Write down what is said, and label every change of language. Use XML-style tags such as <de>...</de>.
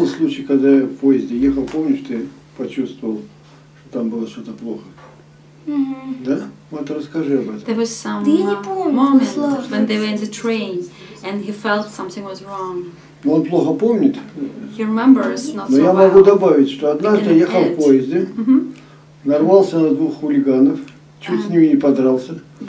<ru>Был случай, когда я в поезде ехал, помнишь, ты почувствовал, что там было что-то плохо? Да? Вот расскажи об этом.</ru> <en>There was some moment when they were in the train and he felt something was wrong.</en> <ru>Он плохо помнит.</ru> <en>He remembers not so</en> <ru>well. Но я могу добавить, что однажды я ехал в поезде, нарвался на двух хулиганов, чуть с ними не подрался.</ru>